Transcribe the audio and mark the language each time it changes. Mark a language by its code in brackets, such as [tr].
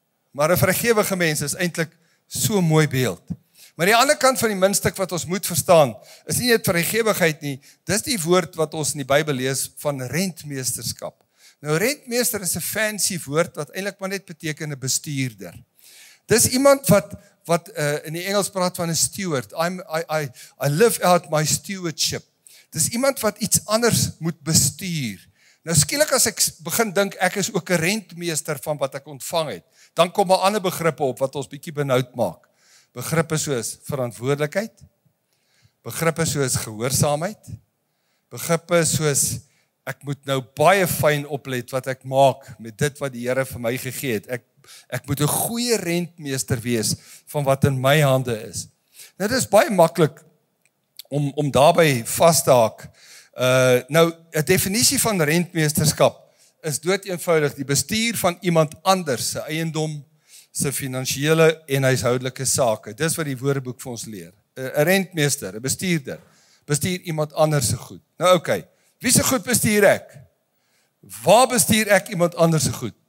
[af] Maar 'n vrygewige mens is eintlik so 'n mooi beeld. Maar die ander kant van die muntstuk wat ons moet verstaan, is nie net vrygewigheid nie, dis die woord wat ons in die Bybel lees van rentmeesterskap. Nou rentmeester is 'n fancy woord wat eintlik maar net beteken 'n bestuurder. Dis iemand wat in die Engels praat van 'n steward. [en] I live out my stewardship. [af] Dis iemand wat iets anders moet bestuur. Nou skielik as ek begin dink ek is ook 'n rentmeester van wat ek ontvang het, dan kom 'n ander begrippe op wat ons bietjie benoud maak. Begrippe soos verantwoordelikheid, begrippe soos gehoorsaamheid, begrippe soos ek moet nou baie fyn oplet wat ek maak met dit wat die Here vir my gegee het. Ek moet 'n goeie rentmeester wees van wat in my hande is. Nou dit is baie maklik om daarby vas te haak. Nou, 'n definisie van rentmeesterskap is dood eenvoudig die bestuur van iemand anders se eiendom, se finansiële en huishoudelike sake. Dis wat die woordeboek vir ons leer. 'n Rentmeester, 'n bestuurder, bestuur iemand anders se goed. Nou okay, wie se goed bestuur ek? Waar bestuur ek iemand anders se goed?